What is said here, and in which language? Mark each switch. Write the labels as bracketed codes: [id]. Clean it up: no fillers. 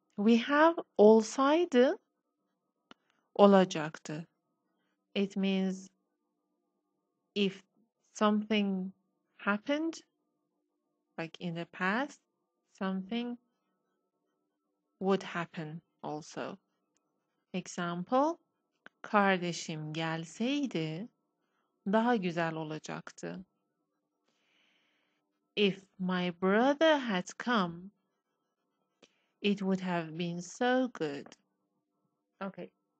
[en] We have [tr] olsaydı olacaktı. [en] It means if something happened, like in the past, something would happen also. [tr] Example, kardeşim gelseydi daha güzel olacaktı. [en] If my brother had come, it would have been so good. Okay.